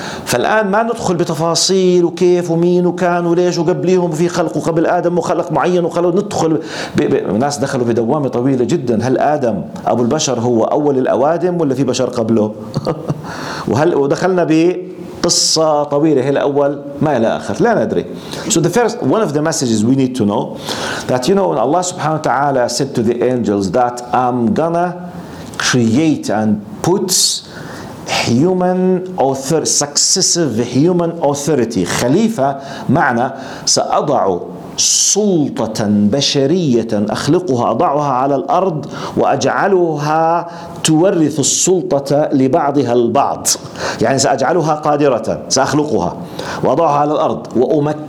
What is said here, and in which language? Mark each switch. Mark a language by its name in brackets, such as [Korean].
[Arabic] فالآن ما ندخل بتفاصيل وكيف ومين وكان وليش وقبليهم في خلق وقبل آدم وخلق معين وخلق، ندخل ناس دخلوا بدوامة طويلة جدا، هل آدم أبو البشر هو أول الأوادم ولا في بشر قبله؟ وهل ودخلنا بقصة طويلة، هل أول ما إلى آخر، لا ندري. [English] So the first one of the messages we need to know that, you know, when Allah subhanahu wa ta'ala said to the angels that I'm gonna create and put human author, successive human authority. [Arabic] خليفة معنى سأضع سلطة بشرية أخلقها، أضعها على الأرض وأجعلها تورث السلطة لبعضها البعض، يعني سأجعلها قادرة، سأخلقها وأضعها على الأرض وأمكنها